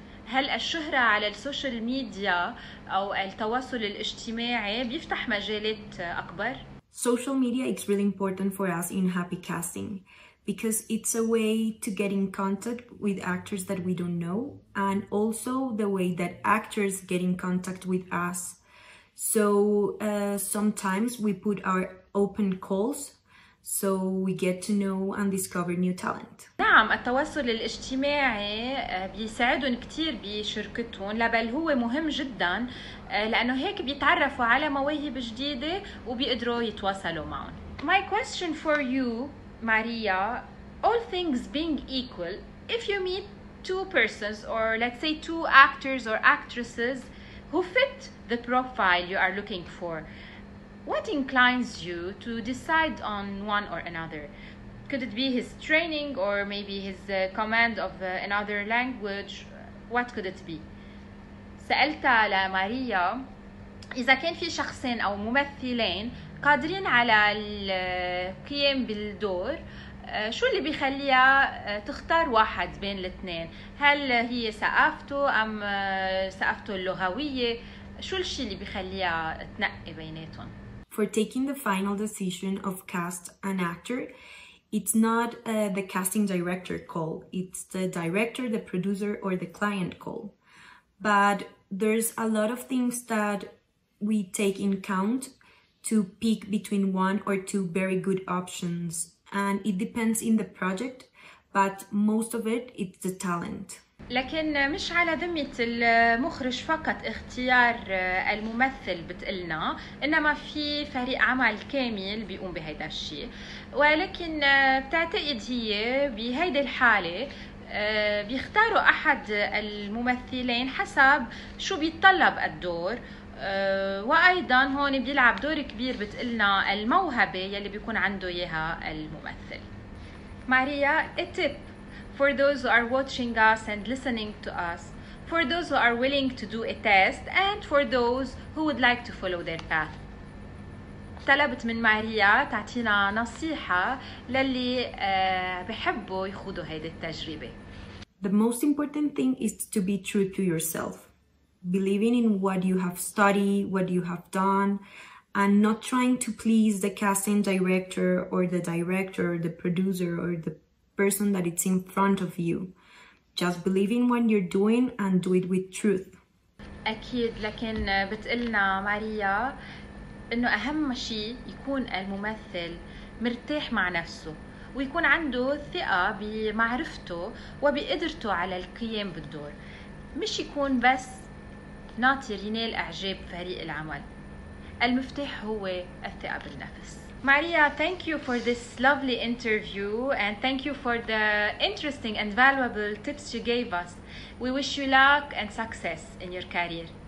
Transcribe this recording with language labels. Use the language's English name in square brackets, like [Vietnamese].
[Arabic] هل الشهرة على السوشيال ميديا أو التواصل الاجتماعي بيفتح مجالات أكبر؟ [English] Social media is really important for us in Happy Casting because it's a way to get in contact with actors that we don't know, and also the way that actors get in contact with us. So sometimes we put our open calls so we get to know and discover new talent. [Arabic] نعم، التواصل الاجتماعي بيساعدهم كتير بشركتهم، لبل هو مهم جدا لأنه هيك بيتعرفوا على مواهب جديدة وبيقدروا يتواصلوا معهم. [English] My question for you, Maria, all things being equal, if you meet two persons or let's say two actors or actresses who fit the profile you are looking for, what inclines you to decide on one or another? Could it be his training or maybe his command of another language? What could it be? [Arabic] سألتها لماريا إذا كان في شخصين أو ممثلين قادرين على القيام بالدور، شو اللي بيخليها تختار واحد بين الاثنين؟ هل هي ثقافته أم ثقافته اللغوية؟ شو الشيء اللي بيخليها تنقي بيناتهم؟ [English] For taking the final decision of cast an actor, it's not the casting director call, it's the director, the producer, or the client call. But there's a lot of things that we take in count to pick between one or two very good options. And it depends in the project, but most of it, it's the talent. [Arabic] لكن مش على ذمة المخرج فقط اختيار الممثل بتقلنا، إنما في فريق عمل كامل بيقوم بهيدا الشيء. ولكن بتعتقد هي بهيدي الحالة بيختاروا أحد الممثلين حسب شو بيتطلب الدور، وأيضا هون بيلعب دور كبير بتقلنا الموهبة يلي بيكون عنده إياها الممثل. ماريا، التيب [English] for those who are watching us and listening to us, for those who are willing to do a test, and for those who would like to follow their path. [Arabic] طلبت من ماريا تعطينا نصيحة للي بحبوا يخوضوا هيدي التجربة. [English] The most important thing is to be true to yourself, believing in what you have studied, what you have done, and not trying to please the casting director, or the producer, or the person that it's in front of you. Just believe in what you're doing and do it with truth. [Arabic] أكيد، لكن بتقلنا ماريا إنه أهم شيء يكون الممثل مرتاح مع نفسه ويكون عنده ثقة بمعرفته وبقدرته على القيام بالدور، مش يكون بس ناطر ينال إعجاب فريق العمل. المفتاح هو الثقة بالنفس. [English] Maria, thank you for this lovely interview and thank you for the interesting and valuable tips you gave us. We wish you luck and success in your career.